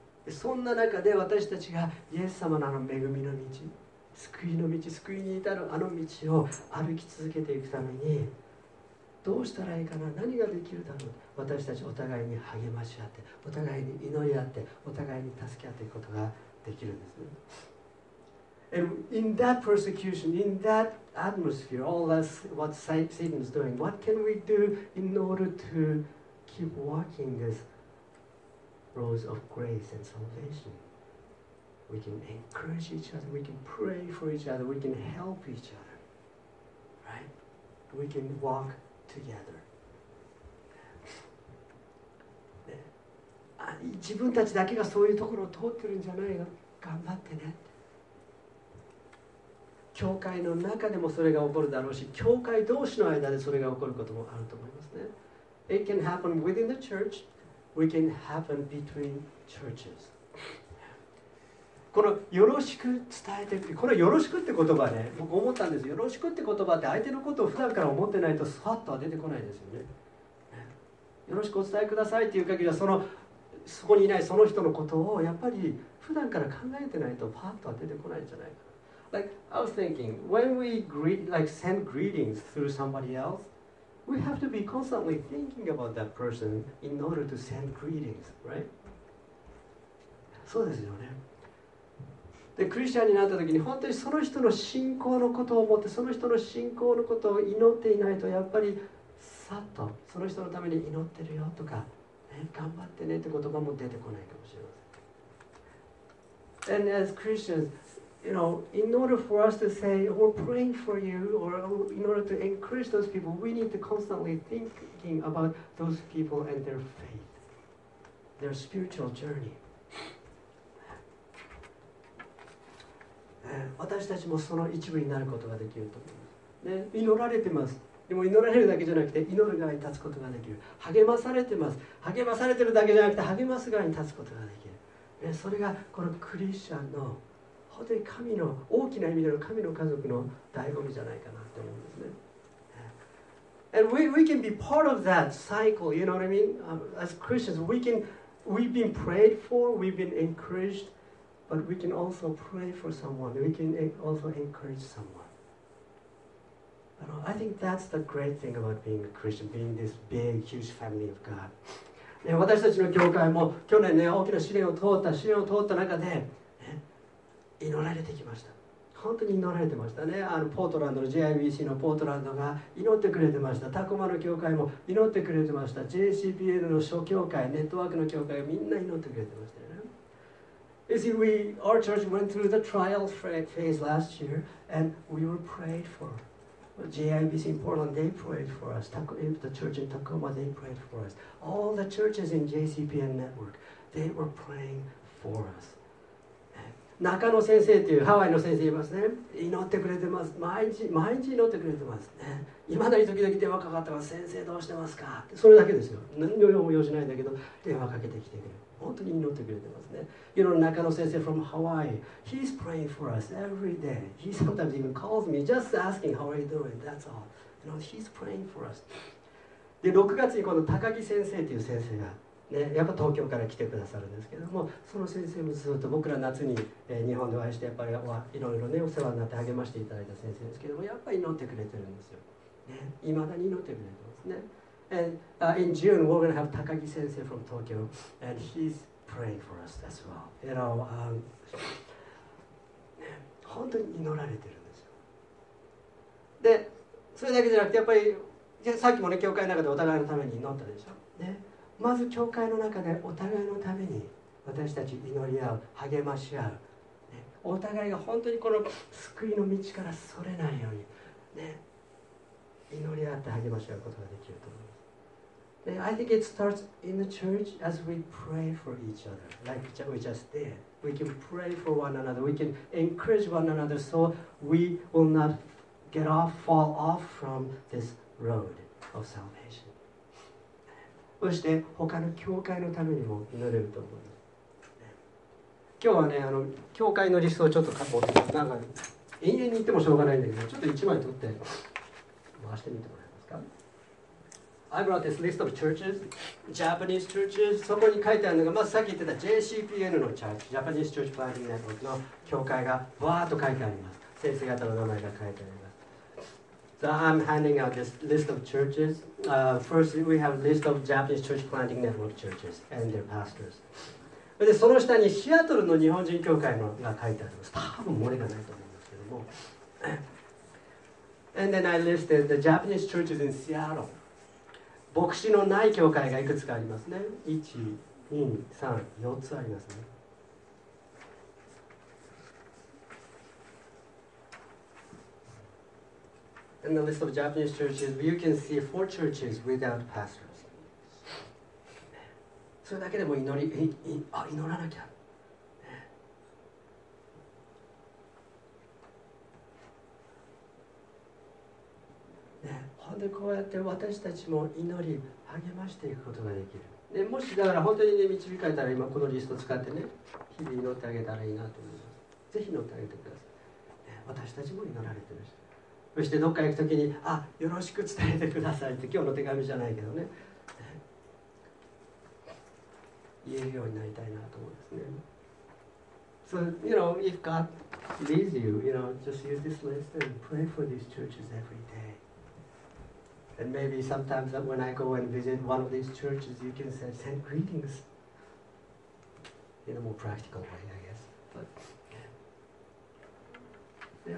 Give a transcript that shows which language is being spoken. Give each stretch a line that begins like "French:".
Japanese: そんな中で私たちがイエス様のあの恵みの道、救いの道、救いに至るあの道を歩き続けていくためにどうしたらいいかな、何ができるだろう、私たちお互いに励まし合って、お互いに祈り合って、お互いに助け合っていくことができるんですね。
English: And in that persecution, in that atmosphere, all that's what Satan is doing, what can we do in order to keep walking this road of grace and salvation? We can encourage each other, we can pray for each other, we can help each other, right? We can walktogether.
Japanese: 自分たちだけがそういうところを通ってるんじゃないよ、頑張ってね。教会の中でもそれが起こるだろうし、教会同士の間でそれが起こることもあると思いますね。
English: It can happen within the church, we can happen between churches.
Japanese: このよろしく伝えてって、これよろしくって言葉ね、僕思ったんです。よろしくって言葉って相手のことを普段から思ってないとスワッとは出てこないですよね。よろしくお伝えくださいっていう限りは、そこにいないその人のことをやっぱり普段から考えてないとパッとは出てこないんじゃないか。
English: Like, I was thinking, when we greet, like send greetings through somebody else, we have to be constantly thinking about that person in order to send greetings, right?
Japanese: そうですよね。でクリスチャンになった時に本当にその人の信仰のことを思って、その人の信仰のことを祈っていないと、やっぱりさっとその人のために祈ってるよとか、ね、頑張ってねって言葉も出てこないかもしれません。
English: And as Christians, you know, in order for us to say we're praying for you, or in order to encourage those people, we need to constantly thinking about those people and their faith, their spiritual journey.
Japanese: 私たちもその一部になることができると思います、ね、祈られてます。でも祈られるだけじゃなくて祈る側に立つことができる。励まされてます。励まされてるだけじゃなくて励ます側に立つことができる、ね、それがこのクリスチャンの本当に神の大きな意味での神の家族の醍醐味じゃないかなと思うんですね。
English: And we can be part of that cycle, you know what I mean? As Christians, we've been prayed for, we've been encouragedBut we can also pray for someone. We can also encourage someone. You know, I think that's the great thing about being a Christian, being this big, huge family of God.
Japanese: 私たちの教会も去年ね、大きな試練を通った中で、ね、祈られてきました。本当に祈られてましたね。あのポートランドの JIBC のポートランドが祈ってくれてました。タコマの教会も祈ってくれてました。JCPL の諸教会、ネットワークの教会がみんな祈ってくれてましたよね。
English: You see, our church went through the trial phase last year, and we were prayed for. JIBC in Portland, they prayed for us. The church in Tacoma, they prayed for us. All the churches in JCPN network, they were praying for us.
Japanese: 中野先生というハワイの先生いますね。祈ってくれてます。毎日祈ってくれてますね。いまだに時々電話かかってます。先生どうしてますか。それだけですよ。何の用も用しないんだけど電話かけてきてくれる。本当に祈ってくれてますね。
English: You know, 中野先生 from Hawaii, he's praying for us every day. He sometimes even calls me just asking how are you doing. That's all. You know, he's praying for us.
Japanese: で6月にこの高木先生という先生がね、やっぱ東京から来てくださるんですけども、その先生もずっと僕ら夏に、日本でお会いしてやっぱりいろいろねお世話になって励ましていただいた先生ですけども、やっぱり祈ってくれてるんですよ。ね、未だに祈ってくれてますね。
English: And, in June, we're gonna have 高木先生 from Tokyo, and he's praying for us as well. You know,
Japanese: ね、本当に祈られてるんですよ。で、それだけじゃなくてやっぱりさっきもね教会の中でお互いのために祈ったでしょ。ね。まず教会の中でお互いのために私たち祈り合う、励まし合う、ね、お互いが本当にこの救いの道からそれないように、ね、祈り合って励まし合うことができると思います。
English: で、I think it starts in the church as we pray for each other, like we just did. We can pray for one another, we can encourage one another so we will not get off, fall off from this road of salvation.
Japanese: そして他の教会のためにも祈れると思います。今日はね、教会のリストをちょっと書こうと思って、なんか延々に言ってもしょうがないんだけど、ちょっと1枚取って回してみてもらえますか。
English: I brought this list of churches, Japanese churches.
Japanese: そこに書いてあるのが、まずさっき言ってた JCPN のチャーチ、Japanese Church Planting Network の教会がわーっと書いてあります。先生方の名前が書いてあります。
English: So I'm handing out this list of churches. First, we have a list of Japanese Church Planting Network churches and their pastors.
Japanese: で、その下にシアトルの日本人教会のが書いてあります。多分漏れがないと思うんですけども。
English: And then I listed the Japanese churches in Seattle.
Japanese: 牧師のない教会がいくつかありますね。 1、2、3、4つありますね。
English: In the list of Japanese churches, you can see four churches without pastors.
Japanese: それだけでも祈らなきゃ。ね、本当にこうやって私たちも祈り励ましていくことができる。ね、もしだから本当にね導かれたら今このリスト使ってね日々祈ってあげたらいいなと思います。ぜひ祈ってあげてください。ね、私たちも祈られてるし。そしてどっか行くときに、あ、よろしく伝えてくださいって今日の手紙じゃないけどね、言えるようになりたいなと思うんですね。
English: So, you know, if God leads you, you know, just use this list and pray for these churches every day. And maybe sometimes when I go and visit one of these churches, you can say, send greetings in a more practical way, I guess. But, yeah.